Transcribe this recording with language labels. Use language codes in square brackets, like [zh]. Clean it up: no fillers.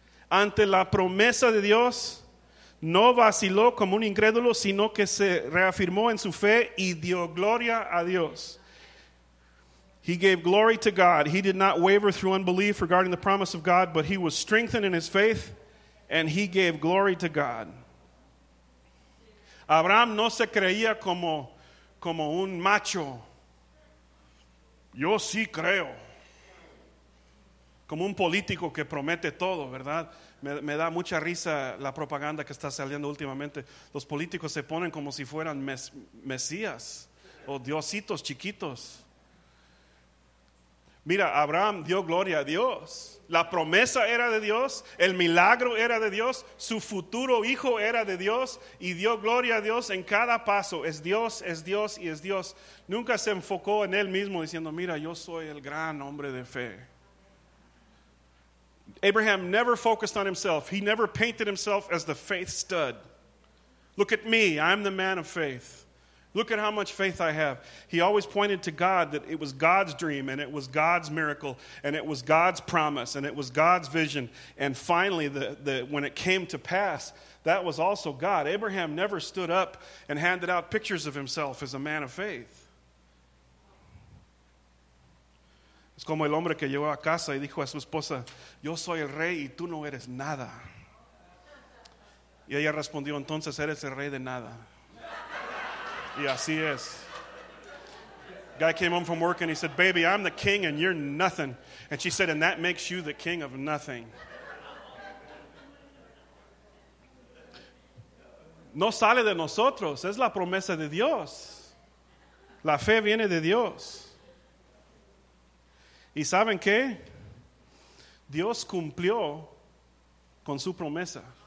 [es] Ante la promesa de Dios, no vaciló como un incrédulo, sino que se reafirmó en su fe y dio gloria a Dios. [en] He gave glory to God. He did not waver through unbelief regarding the promise of God, but he was strengthened in his faith, and he gave glory to God. [es] Abraham no se creía como un macho. Yo sí creo. Como un político que promete todo, ¿verdad? Me da mucha risa la propaganda que está saliendo últimamente. Los políticos se ponen como si fueran mesías o diositos chiquitos. Mira, Abraham dio gloria a Dios. La promesa era de Dios. El milagro era de Dios. Su futuro hijo era de Dios. Y dio gloria a Dios en cada paso. Es Dios, es Dios y es Dios. Nunca se enfocó en él mismo diciendo, mira, yo soy el gran hombre de fe. [en] Abraham never focused on himself. He never painted himself as the faith stud. Look at me. I'm the man of faith. Look at how much faith I have. He always pointed to God, that it was God's dream and it was God's miracle and it was God's promise and it was God's vision. And finally, when it came to pass, that was also God. Abraham never stood up and handed out pictures of himself as a man of faith. [es] Es como el hombre que llegó a casa y dijo a su esposa, yo soy el rey y tú no eres nada. Y ella respondió, entonces eres el rey de nada. Y así es. [en] Guy came home from work and he said, baby, I'm the king and you're nothing. And she said, and that makes you the king of nothing. [es] No sale de nosotros, es la promesa de Dios. La fe viene de Dios. Y saben qué? Dios cumplió con su promesa.